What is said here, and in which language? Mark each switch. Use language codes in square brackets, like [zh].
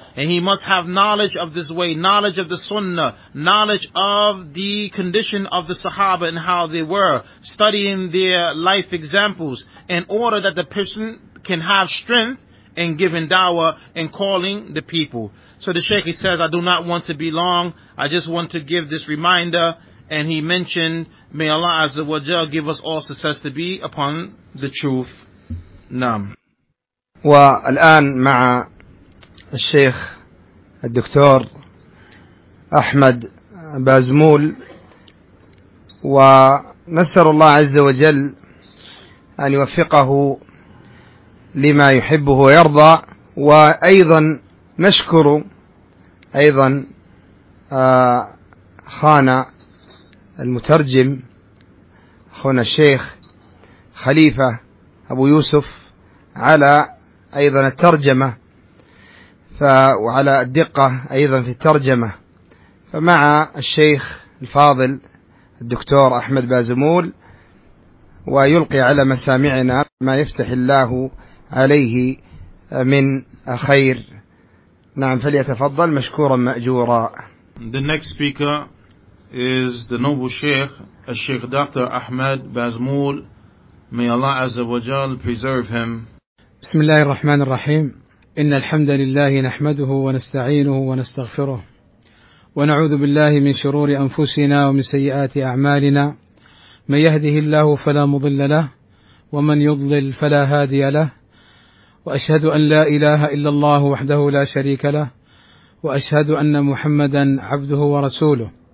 [en] And he must have knowledge of this way, knowledge of the Sunnah, knowledge of the condition of the Sahaba and how they were, studying their life examples, in order that the person can have strength in giving dawah and calling the people. So the Shaykh, he says, I do not want to be long. I just want to give this reminder. And he mentioned, may Allah Azza wa Jalla give us all success to be upon the truth. [ar] Naam. والآن مع الشيخ الدكتور أحمد بازمول ونسأل الله عز وجل أن يوفقه لما يحبه ويرضى وأيضا نشكر أيضا خانا المترجم أخونا الشيخ خليفة أبو يوسف على أيضا الترجمة وعلى الدقة أيضا في الترجمة مع الشيخ الفاضل الدكتور أحمد بازمول، ويلقي على مسامعنا ما يفتح الله عليه من خير. نعم، فليتفضل مشكورا مأجورا. [en] The next speaker is the noble Sheikh, Sheikh Dr. Ahmed Bazmoul. May Allah Azza wa Jal preserve him. [ar] بسم الله الرحمن الرحيم. إن الحمد لله نحمده ونستعينه ونستغفره ونعوذ بالله من شرور أنفسنا ومن سيئات أعمالنا، من يهده الله فلا مضل له ومن يضلل فلا هادي له، وأشهد أن لا إله إلا الله وحده لا شريك له، وأشهد أن محمدا عبده ورسوله.